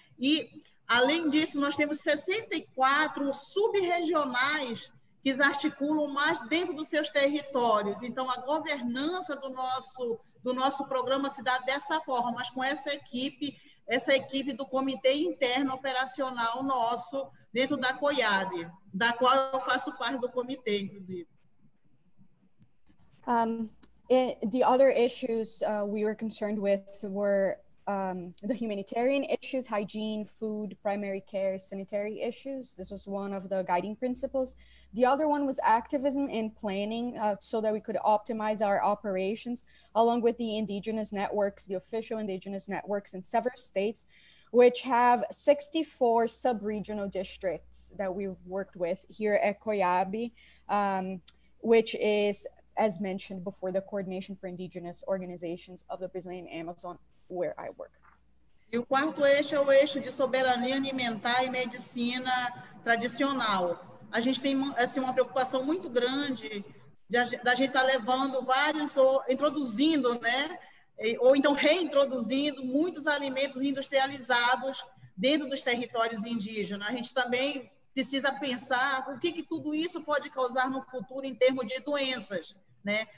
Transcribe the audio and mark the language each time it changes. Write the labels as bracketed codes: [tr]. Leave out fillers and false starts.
[pt] E, além disso, nós temos 64 sub-regionais que se articulam mais dentro dos seus territórios. Então, a governança do nosso programa se dá dessa forma, mas com essa equipe do Comitê Interno Operacional nosso, dentro da COIAB, da qual eu faço parte do comitê, inclusive. [en] The other issues we were concerned with were the humanitarian issues, hygiene, food, primary care, sanitary issues. This was one of the guiding principles. The other one was activism and planning so that we could optimize our operations along with the indigenous networks, the official indigenous networks in several states, which have 64 sub-regional districts that we've worked with here at COIABI, which is, as mentioned before, the Coordination for Indigenous Organizations of the Brazilian Amazon, where I work. [pt] E o quarto eixo é o eixo de soberania alimentar e medicina tradicional. A gente tem assim, uma preocupação muito grande da gente estar levando vários, ou introduzindo, né? Ou então reintroduzindo muitos alimentos industrializados dentro dos territórios indígenas. A gente também precisa pensar o que tudo isso pode causar no futuro em termos de doenças. Né?